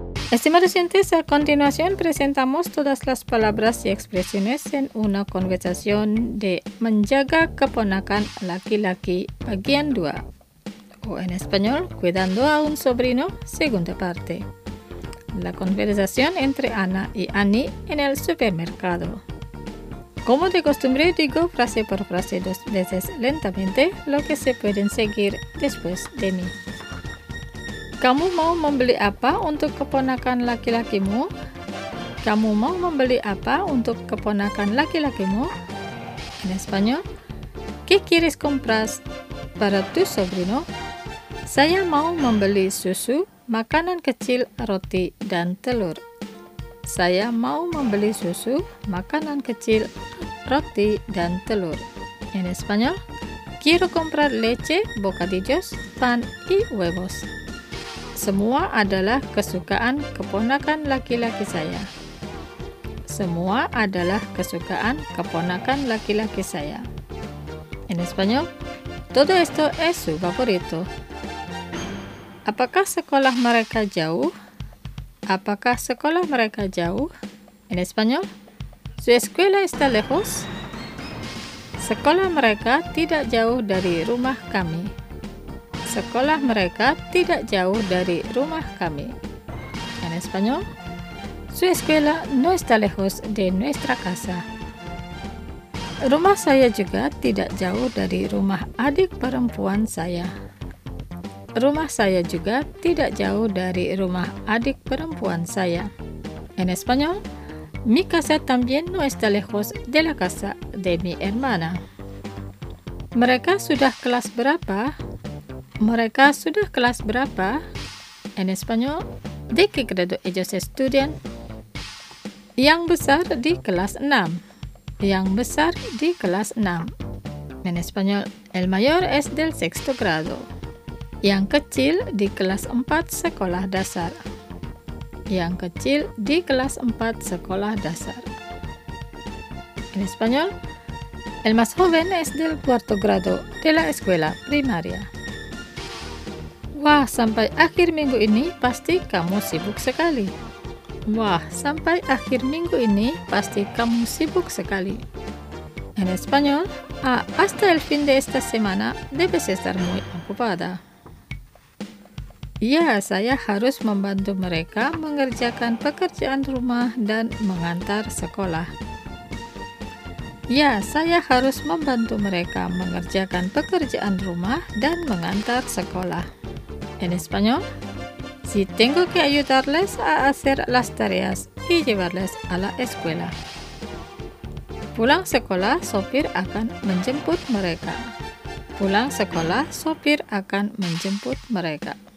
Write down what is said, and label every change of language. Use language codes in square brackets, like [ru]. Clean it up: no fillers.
[es] Estimados oyentes, a continuación presentamos todas las palabras y expresiones en una conversación de [id] Menjaga Keponakan Laki-laki Bagian 2, [es] o en español, Cuidando a un sobrino, segunda parte. La conversación entre Ana y Ani en el supermercado. Como de costumbre, digo frase por frase dos veces lentamente lo que se pueden seguir después de mí. [id] Kamu mau membeli apa untuk keponakan laki-lakimu? Kamu mau membeli apa untuk keponakan laki-lakimu? [es] En español, ¿qué quieres comprar para tu sobrino? [id] Saya mau membeli susu, makanan kecil, roti, dan telur. Saya mau membeli susu, makanan kecil, roti, dan telur. [es] En español, quiero comprar leche, bocadillos, pan y huevos. [id] Semua adalah kesukaan keponakan laki-laki saya. Semua adalah kesukaan keponakan laki-laki saya. [es] En español, todo esto es su favorito. [id] Apakah sekolah mereka jauh? Apakah sekolah mereka jauh? [es] En español, ¿su escuela está lejos? [id] Sekolah mereka tidak jauh dari rumah kami. Sekolah mereka tidak jauh dari rumah kami. [es] En español, su escuela no está lejos de nuestra casa. [id] Rumah saya juga tidak jauh dari rumah adik perempuan saya. Rumah saya juga tidak jauh dari rumah adik perempuan saya. [es] En español, mi casa también no está lejos de la casa de mi hermana. [id] Mereka sudah kelas berapa? Mereka sudah kelas berapa? [es] En español, ¿de qué grado ellos estudian? [id] Yang besar di kelas 6. Yang besar di kelas 6. [es] En español, el mayor es del sexto grado. [id] Yang kecil di kelas 4 sekolah dasar. Yang kecil di kelas 4 sekolah dasar. [es] En español, el más joven es del cuarto grado de la escuela primaria. [id] Wah, sampai akhir minggu ini pasti kamu sibuk sekali. Wah, sampai akhir minggu ini pasti kamu sibuk sekali. [es] En español, hasta el fin de esta semana debes estar muy ocupada. [id] Ya, saya harus membantu mereka mengerjakan pekerjaan rumah dan mengantar sekolah. Ya, saya harus membantu mereka mengerjakan pekerjaan rumah dan mengantar sekolah. [es] En español, si tengo que ayudarles a hacer las tareas y llevarles a la escuela. [id] Pulang sekolah, sopir akan menjemput mereka. Pulang sekolah, sopir akan menjemput mereka.